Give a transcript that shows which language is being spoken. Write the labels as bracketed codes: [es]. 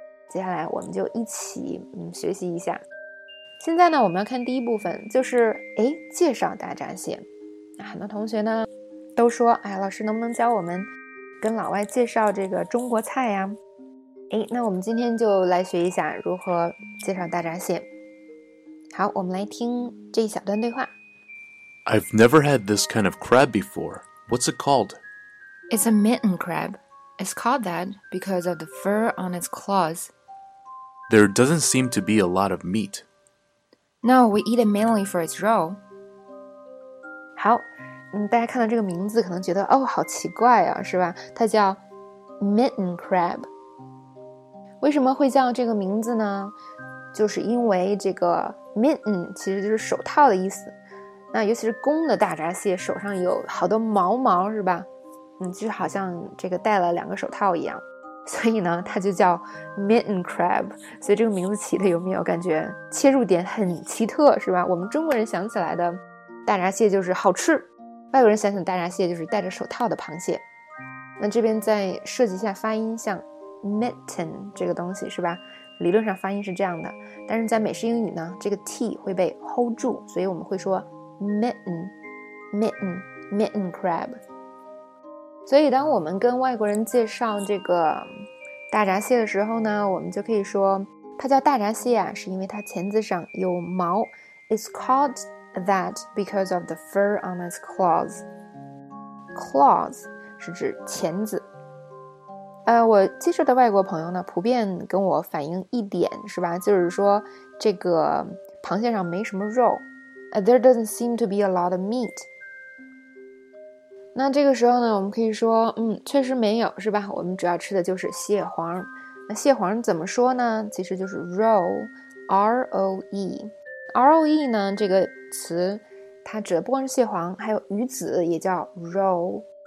[zh] 接下来我们就一起学习一下。现在呢，我们要看第一部分，就是哎，介绍大闸蟹。很多同学呢都说，哎，老师能不能教我们跟老外介绍这个中国菜呀？哎，那我们今天就来学一下如何介绍大闸蟹。好，我们来听这一小段对话。 [en] I've never had this kind of crab before. What's it called? It's a mitten crab. It's called that because of the fur on its claws. There doesn't seem to be a lot of meat. No, we eat it mainly for its roe. [zh] 好，大家看到这个名字可能觉得，哦，好奇怪啊，是吧？它叫 mitten crab。为什么会叫这个名字呢？就是因为这个 mitten 其实就是手套的意思。那尤其是公的大闸蟹，手上有好多毛毛，是吧？就好像这个戴了两个手套一样，所以呢，它就叫 mitten crab。所以这个名字起的有没有感觉切入点很奇特，是吧？我们中国人想起来的大闸蟹就是好吃，外国人想起大闸蟹就是戴着手套的螃蟹。那这边再设计一下发音，像 mitten 这个东西，是吧？理论上发音是这样的，但是在美式英语呢，这个 T 会被 hold 住，所以我们会说 mitten crab。所以，当我们跟外国人介绍这个大闸蟹的时候呢，我们就可以说它叫大闸蟹啊，是因为它钳子上有毛。 [en] It's called that because of the fur on its claws. [zh] Claws 是指钳子。我接触的外国朋友呢，普遍跟我反映一点，是吧？就是说这个螃蟹上没什么肉。 [en] There doesn't seem to be a lot of meat。 [zh] 那这个时候呢，我们可以说，确实没有，是吧？我们主要吃的就是蟹黄。那蟹黄怎么说呢？其实就是 roe，R-O-E。roe 呢这个词，它指的不光是蟹黄，还有鱼子，也叫 roe。